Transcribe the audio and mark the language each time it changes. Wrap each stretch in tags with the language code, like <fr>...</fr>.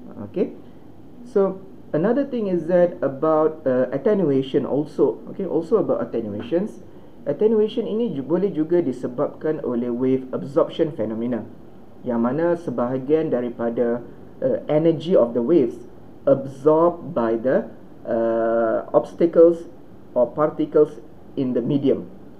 <en>Okay, so another thing is that about attenuation also. Okay, also about attenuations.</en> <ms>Attenuation ini boleh juga disebabkan oleh</ms> <en>wave absorption phenomena,</en> <ms>yang mana sebahagian daripada</ms> <en>energy of the waves absorbed by the obstacles or particles in the medium.</en>